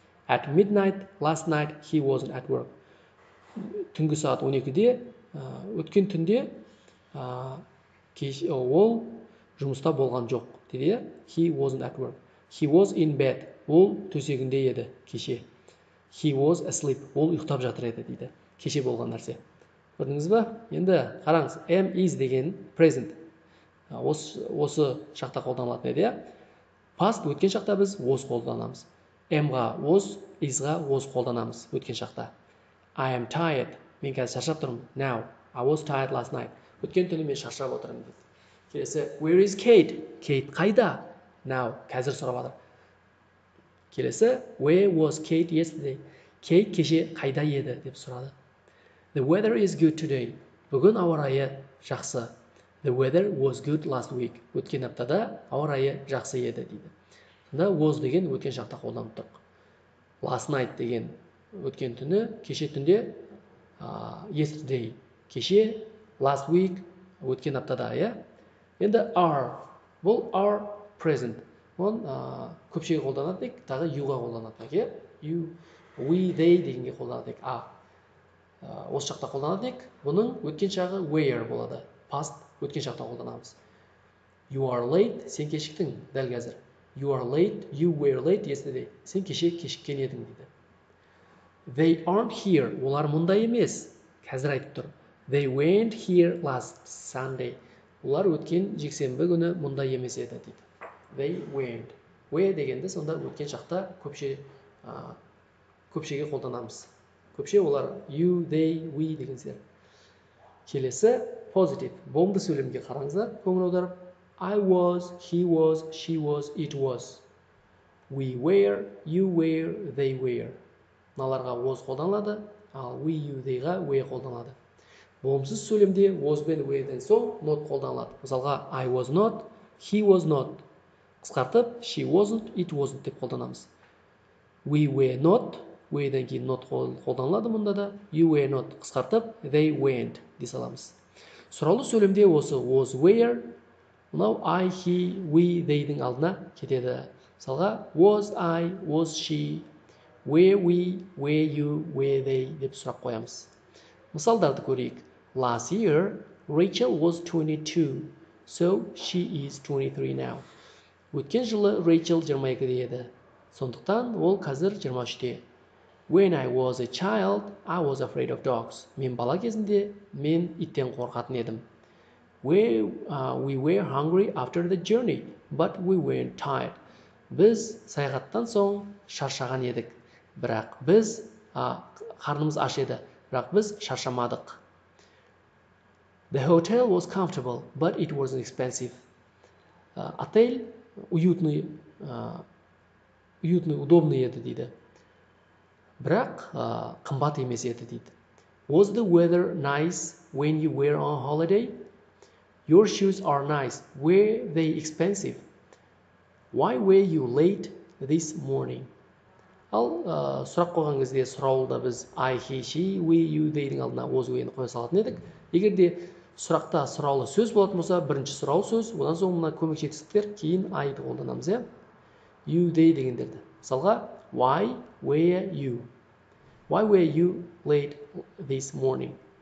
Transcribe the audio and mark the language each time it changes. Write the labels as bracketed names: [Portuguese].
[English] At midnight, last night, he wasn't at work. [Kazakh] Түнгі сағат 12-де, өткен түнде, ол жұмыста болған жоқ. Деді, [English] he wasn't at work. He was in bed. [Kazakh] Ол төсегінде еді кеше. [English] He was asleep. [Kazakh] Ол ұйықтап жатыр еді, дейді. Кеше болған нәрсе. Көрдіңіз ба? Енді қараңыз, am is деген present. Осы шақта қолданылатын еді. Past өткен шақта біз was қолданамыз. Am-ға was, is-ға was қолданамыз өткен шақта. [English] I am tired. [Kazakh] Мен қазір шаршап тұрмын. [English] Now. I was tired last night. [Kazakh] Өткен түні мен шаршап отырмын деді. [English] Келесі, where is Kate? [Kazakh] Kate қайда? Now. Қазір сұрап отыр. [English] Келесі, where was Kate yesterday? [Kazakh] Kate кеше қайда еді деп сұрады. [English] The weather is good today. [Kazakh] Бүгін ауа райы жақсы. [English] The weather was good last week. [Kazakh] Өткен аптада ауа райы жақсы еді дейді. Сонда was деген өткен шақта қолданыптық. [English] Last night [Kazakh] деген өткен түні, кеше түнде, [English] yesterday, [Kazakh] кеше, [English] last week, [Kazakh] өткен аптада, иә? Енді are. Бұл are present. Оны көпшеге қолданады дейік, тағы you-ға қолданады, иә? You, we, they дегенге қолданады дейік, осы шақта қолданады дейік, бұның өткен шағы where болады. Past өткен шақта қолданамыз. [English] You are late, [Kazakh] сен кешіктің дәл қазір. [English] You are late, you were late yesterday. [Kazakh] Сен кеше кешіккен едің дейді. [English] They aren't here. [Kazakh] Олар мұнда емес. Қазір айтып тұр. [English] They weren't here last Sunday. [Kazakh] Олар өткен жексенбі күні мұнда емес еді дейді. [English] They weren't. [Kazakh] Where дегенде сонда өткен шақта көпшеге қолданамыз. Көпше олар you, they, we деген сияқты. Келесі positive. Болды сөйлемге қараңыздар. Көңіл аударып. [English] I was, he was, she was, it was. We were, you were, they were. [Kazakh] Наларға was қолданылады, ал we, you, they-ға were қолданылады. Болымсыз сөйлемде was бен were-ден соң not қолданылады. Мысалға [English] I was not, he was not. [Kazakh] Қысқартып, [English] she wasn't, it wasn't [Kazakh] деп қолданамыз. [English] We were not, [Kazakh] were-ден кейін not қолданылады мұнда да. [English] You were not, [Kazakh] қысқартып, [English] they weren't [Kazakh] дей саламыз. Сұраулы сөйлемде осы was where, мынау I, he, we, they-дің алдына кетеді. Мысалға [English] was I, was she, where we, where you, where they [Kazakh] деп сұрақ қоямыз. Мысалдарды көрейік. [English] Last year, Rachel was 22, so she is 23 now. [Kazakh] Өткен жылы Rachel 22-де еді, сондықтан ол қазір 23-де. [English] When I was a child, I was afraid of dogs. [Kazakh] Мен бала кезінде, мен иттен қорқатын едім. [English] We were hungry after the journey, but we weren't tired. [Kazakh] Біз саяхаттан соң шаршаған едік, бірақ біз қарнымыз аш еді, бірақ біз шаршамадық. [English] The hotel was comfortable, but it wasn't expensive. [Kazakh] Отель [Russian] уютный, удобный [Kazakh] еді дейді. Бірақ қымбат емес еді дейді. [English] Was the weather nice when you were on holiday? Your shoes are nice. Were they expensive? Why were you late this morning? [Kazakh] Ал сұрақ қойған кезде сұрауылда біз I, he, she, we, you, they-дің алдына was, we-ні қоя салатын едік. Егер де сұрақта сұраулы сөз болатын болса, бірінші сұрау сөз, одан соң мына көмек жетістіктер кейін I-ді қолданамыз, иә? [English] You, they [Kazakh] дегендерді. Мысалға [English] why were you? Why were you late this morning?